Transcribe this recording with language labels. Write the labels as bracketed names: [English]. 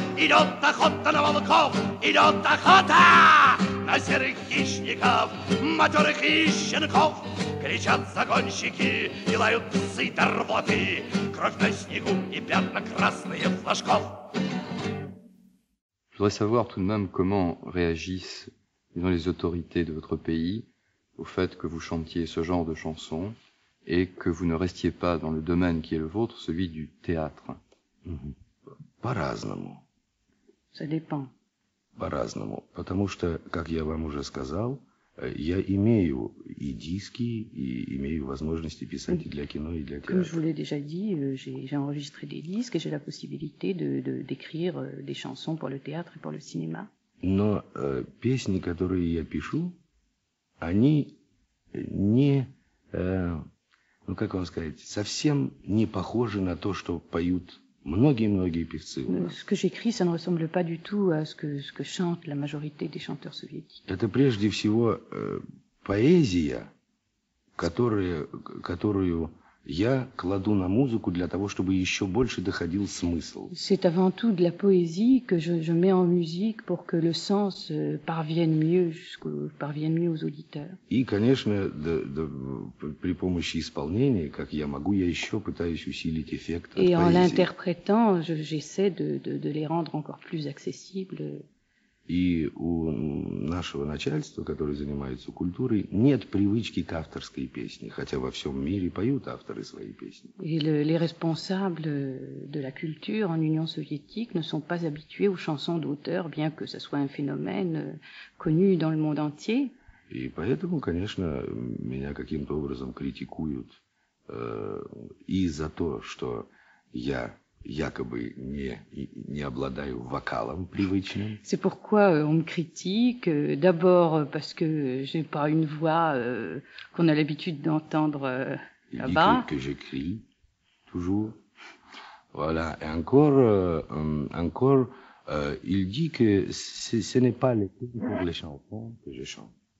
[Russian] Идет охота на волков, идет охота на серых хищников, матерых и щенков. Кричат загонщики и лают псы до рвоты, кровь на снегу и пятна красные флажков. [French] Je voudrais savoir tout de même comment réagissent, disons, les autorités de votre pays au fait que vous chantiez ce genre de chansons et que vous ne restiez pas dans le domaine qui est le vôtre, celui du théâtre. [Russian] По-разному. [French] Ça dépend. [Russian] По-разному. Потому что, как я вам уже сказал, я имею и диски, и имею возможности писать и для кино, и для théâtre. [French] Comme je vous l'ai déjà dit, j'ai enregistré des disques et j'ai la possibilité d'écrire des chansons pour le théâtre et pour le cinéma. [Russian] Но песни, которые я пишу, они не, ну как вам сказать, совсем не похожи на то, что поют многие-многие певцы. [French] Ce que j'écris, ça ne ressemble pas du tout à ce que chante la majorité des chanteurs soviétiques. [Russian] Это прежде всего поэзия, которую я кладу на музыку для того, чтобы еще больше доходил смысл. [French] C'est avant tout de la poésie que je mets en musique pour que le sens parvienne mieux aux auditeurs. [Russian] И, конечно, при помощи исполнения, как я могу, я еще пытаюсь усилить эффект. [French] Et en l'interprétant, j'essaie de les rendre encore plus accessibles. [Russian] И у нашего начальства, которое занимается культурой, нет привычки к авторской песне, хотя во всем мире поют авторы свои песни. [French] Et les responsables de la culture en Union soviétique ne sont pas habitués aux chansons d'auteur, bien que ce soit un phénomène connu dans le monde entier. [Russian] И поэтому, конечно, меня каким-то образом критикуют и за то, что я якобы не обладаю вокалом привычным. [French] C'est pourquoi on me critique, d'abord parce que j'ai pas une voix qu'on a l'habitude d'entendre là-bas. Que je crie toujours. Voilà, et encore, il dit que ce n'est pas le thème pour les chansons que je chante.